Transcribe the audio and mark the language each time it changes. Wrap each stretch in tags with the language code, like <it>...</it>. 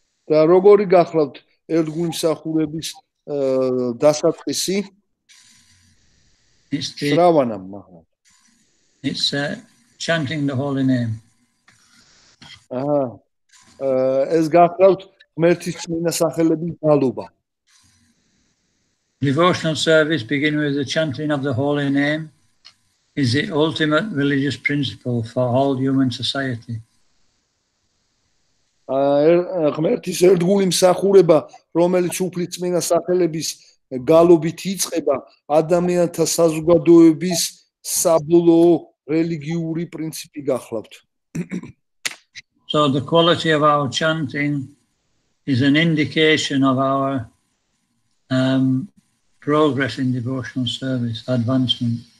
<ka>Და როგორი გახლავთ ერთგული მსახურების დასაწყისი?</ka> <sa>Shravanam maha.</sa> <en>It's chanting the holy name. Aha.</en> <ka>ეს გახლავთ ღმერთის წმინდა სახელების გალობა.</ka> <en>Devotional service, beginning with the chanting of the holy name, is the ultimate religious principle for all human society.</en> <ka>ღმერთის ერთგული მსახურება, რომელიც უფლისწმინდა სახელების გალობით იწყება, ადამიანთა საზოგადოების საბოლოო რელიგიური პრინციპი გახლავთ.</ka> <en>So the quality of our chanting is an indication of our progress in devotional service, advancement.</en>